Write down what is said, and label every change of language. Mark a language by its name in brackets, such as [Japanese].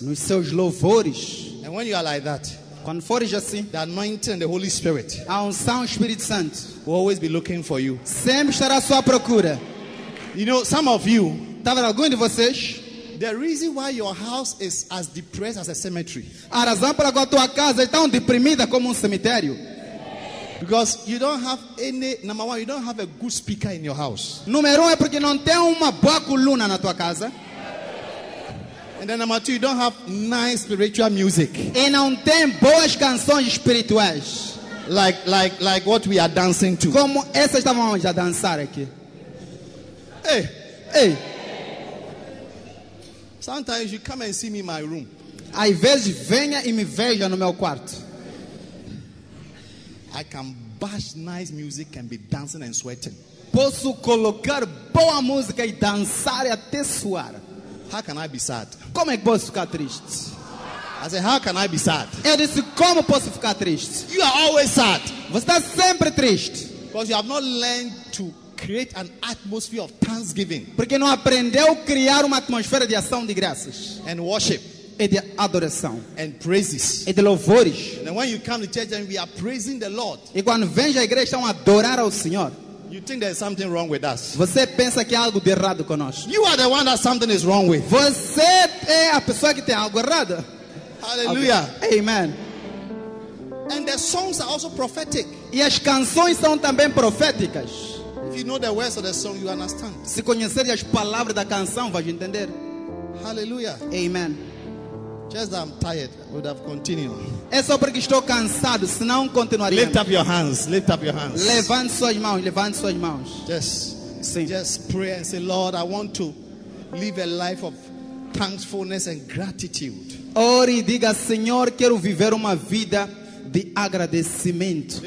[Portuguese] Nos seus louvores. [English] And when you are like that, [Portuguese] quando fores assim, [English] the anointing and the Holy Spirit, [Portuguese] a unção do Espírito Santo, [English] will always be looking for you. [Portuguese] Sempre estará à sua procura. [English] You know, some of you, [Portuguese] talvez alguns de vocês, [English] the reason why your house is as depressed as a cemetery, [Portuguese] a razão pela qual tua casa é tão deprimida como cemitério. [English] Because you don't have any, number one, you don't have a good speaker in your house. [Portuguese] Número um é porque não tem uma boa coluna na tua casa. [English] And then number two, you don't have nice spiritual music. [Portuguese] E não tem boas canções espirituais. [English] Like what we are dancing to. [Portuguese] Como essa estávamos a dançar aqui. Hey, hey. [English] Sometimes you come and see me in my room. [Portuguese] Às vezes venha e me veja no meu quarto. [English] I can bash nice music and be dancing and sweating. [Portuguese] Posso colocar boa música e dançar até suar. [English] How can I be sad? [Portuguese] Como é que posso ficar triste? [English] I said, how can I be sad? [Portuguese] Eu disse, como posso ficar triste? [English] You are always sad. [Portuguese] Você está sempre triste. [English] Because you have not learned to create an atmosphere of thanksgiving. [Portuguese] Porque não aprendeu a criar uma atmosfera de ação de graças. [English] And worship. [Portuguese] E de adoração. [English] And praises. [Portuguese] E de louvores. [English] And when you come to church and we are praising the Lord. [Portuguese] E quando vem à igreja estão a adorar ao Senhor. [English] You think there is something wrong with us. [Portuguese] Você pensa que há algo de errado conosco. [English] You are the one that something is wrong with. [Portuguese] Você é a pessoa que tem algo errado. [English] Hallelujah. Okay. Amen. And the songs are also prophetic. [Portuguese] E as canções são também proféticas. [English] If you know the words of the song, you understand. [Portuguese] Se conhecer as palavras da canção, vai entender. [English] Hallelujah. Amen. Just that I'm tired, I would have continued. [Portuguese] É só porque estou cansado, senão continuaria. [English] Lift up your hands, lift up your hands. [Portuguese] Levante suas mãos, levante suas mãos. [English] Just, [Portuguese] sim. [English] Just pray and say, Lord, I want to live a life of thankfulness and gratitude. [Portuguese] Ore e diga, Senhor, quero viver uma vida de agradecimento